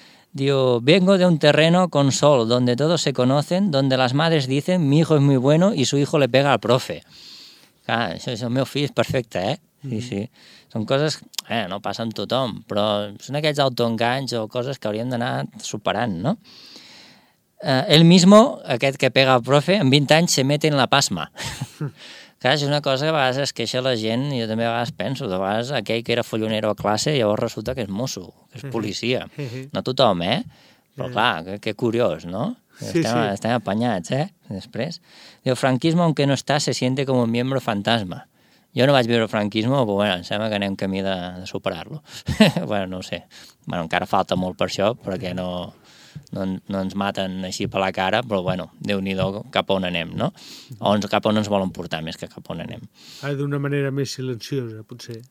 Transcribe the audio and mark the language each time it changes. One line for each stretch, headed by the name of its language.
Catalan: Diu,
Spanish: vengo de un terreno con sol, donde todos se conocen, donde las madres dicen, mi hijo es muy bueno y su hijo le pega al profe.
Catalan: Clar, això és el meu fill, és perfecte, eh? Uh-huh. Sí, sí. Són coses, no passa amb tothom, però són aquests autoenganys o coses que hauríem d'anar superant, no?
Spanish: El mismo,
Catalan: aquest
Spanish: que pega al profe, en 20 anys se mete en la pasma.
Catalan: Clar, és una cosa que a vegades es queixa la gent, jo també a vegades penso, de vegades aquell que era follonero a classe, llavors resulta que és mosso, que és policia. No tothom, eh? Però clar, que curiós, no? Estem apanyats, eh? Després. Diu,
Spanish: franquismo, aunque no está, se siente como un miembro fantasma.
Catalan: Jo no vaig viure franquismo, però bueno, em sembla que anem camí de superar-lo. Bueno, no ho sé. Bueno, encara falta molt per això, perquè no ens maten així per la cara, però bueno, Déu-n'hi-do cap on anem, no? O cap on ens volen portar més que cap on anem. Ara d'una manera més silenciosa, potser.